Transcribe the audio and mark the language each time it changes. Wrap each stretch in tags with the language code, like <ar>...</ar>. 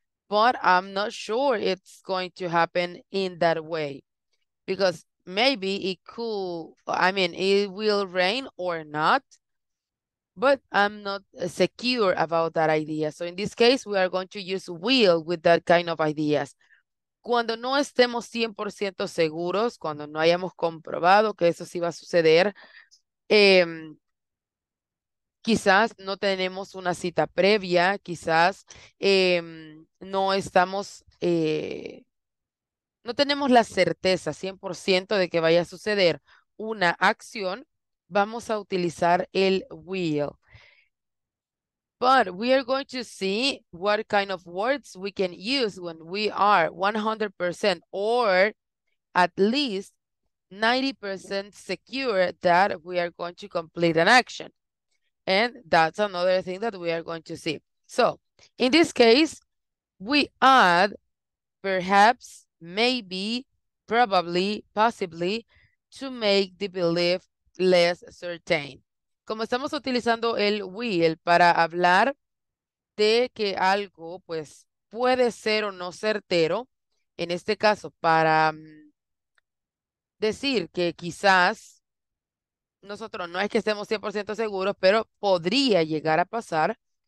<en>But I'm not sure it's going to happen in that way, because maybe it could, I mean, it will rain or not, but I'm not secure about that idea. So in this case, we are going to use will with that kind of ideas.</en> <es>Cuando no estemos 100% seguros, cuando no hayamos comprobado que eso sí va a suceder, quizás no tenemos una cita previa, quizás no estamos, no tenemos la certeza 100% de que vaya a suceder una acción, vamos a utilizar el will.</es> <en>But we are going to see what kind of words we can use when we are 100% or at least 90% secure that we are going to complete an action. And that's another thing that we are going to see. So in this case, we add perhaps, maybe, probably, possibly to make the belief less certain.</en> <es>Como estamos utilizando el will para hablar de que algo pues puede ser o no certero, en este caso para decir que quizás nosotros no es que estemos 100% seguros, pero podría llegar a pasar.</es>